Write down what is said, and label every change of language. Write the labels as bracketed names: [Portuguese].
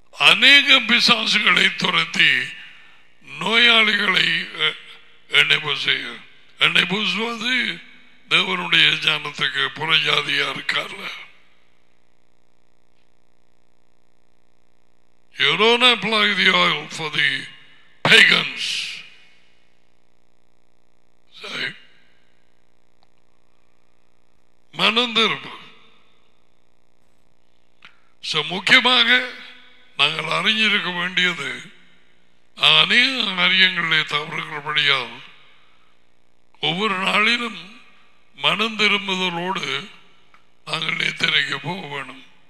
[Tamil] அநேக பிசாசுகளை துரத்தி நோயாளிகளை எண்ணெய் பூசுவது தேவனுடைய ஜானத்துக்கு புறஜாதியா இருக்கார்ல. [English] You don't apply the oil for the pagans. Say, [Tamil] மனம் திரும்பு. சோ முக்கியமாக நாங்கள் அறிஞ்சிருக்க வேண்டியது அநேக காரியங்களே தவறுகிறபடியால் ஒவ்வொரு நாளிலும் மனம் திரும்புதலோடு நாங்கள் நித்திரைக்கு போக வேணும்.